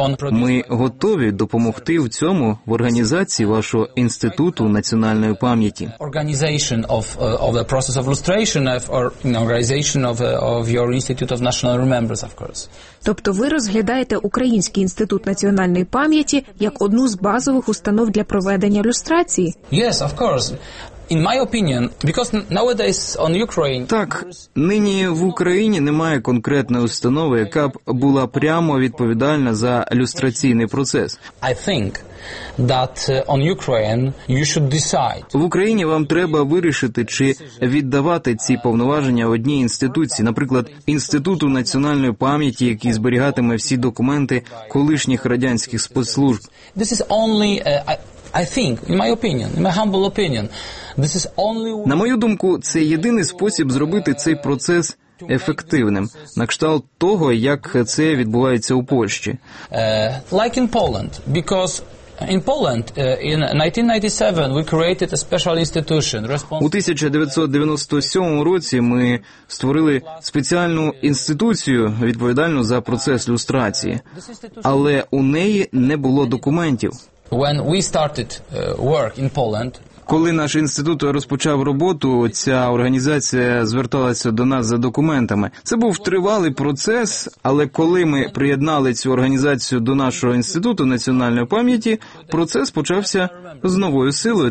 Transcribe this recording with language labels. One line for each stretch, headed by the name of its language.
Ukrainian: Ми готові допомогти в цьому в організації вашого інституту національної пам'яті.
English: Organization of the process of lustration or organization of your institute of national remembrance, of course.
Ukrainian: Тобто ви розглядаєте Український інститут національної пам'яті як одну з базових установ для проведення люстрації?
English: Yes, of course. In my opinion, because nowadays on Ukraine.
Ukrainian: Так, нині в Україні немає конкретної установи, яка б була прямо відповідальна за люстраційний процес.
English: I think that on Ukraine you should decide.
Ukrainian: В Україні вам треба вирішити, чи віддавати ці повноваження одній інституції, наприклад, Інституту національної пам'яті, який зберігатиме всі документи колишніх радянських спецслужб.
English: This is only I think, in my opinion, in my humble opinion, this is only.
Ukrainian: На мою думку, це єдиний спосіб зробити цей процес ефективним, на кшталт того, як це відбувається у Польщі.
English: Like in Poland, because in Poland in 1997 we created a special institution.
Ukrainian: У 1997 році ми створили спеціальну інституцію, відповідальну за процес люстрації. Але у неї не було документів.
English: When we started work in Poland,
Ukrainian: коли наш інститут розпочав роботу, ця організація зверталася до нас за документами. Це був тривалий процес, але коли ми приєднали цю організацію до нашого інституту національної пам'яті, процес почався з новою силою.